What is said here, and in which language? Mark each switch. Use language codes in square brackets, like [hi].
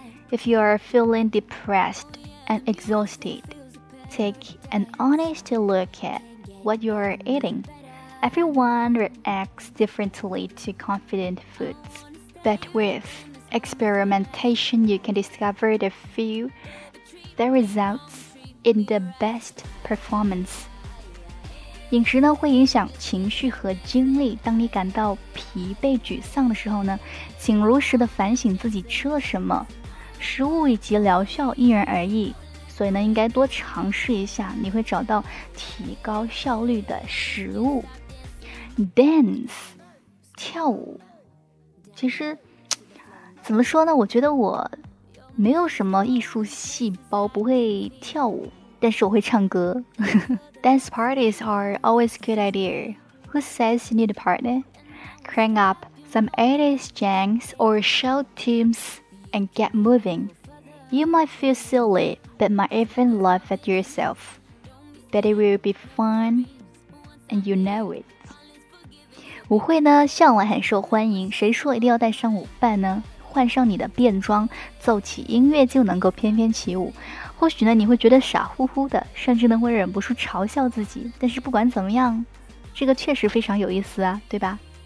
[en] If you are feeling depressed and exhausted, take an honest look at what you are eating. Everyone reacts differently to confident foods. But with experimentation, you can discover the few that results in the best performance. [zh] 饮食呢会影响情绪和精力。当你感到疲惫、沮丧的时候呢，请如实的反省自己吃了什么。食物以及疗效因人而异，所以呢，应该多尝试一下，你会找到提高效率的食物。 Dance， 跳舞。其实怎么说呢，我觉得我没有什么艺术细胞，不会跳舞，但是我会唱歌。 [en] Dance parties are always a good idea. Who says you need a partner? Crank up some 80s jams or show tunes and get moving. You might feel silly, but might even laugh at yourself. But it will be fun, and you know it. [zh] 舞会呢向来很受欢迎，谁说一定要带上舞伴呢？换上你的便装，奏起音乐就能够翩翩起舞。或许呢你会觉得傻乎乎的，甚至呢会忍不住嘲笑自己，但是不管怎么样，这个确实非常有意思啊，对吧？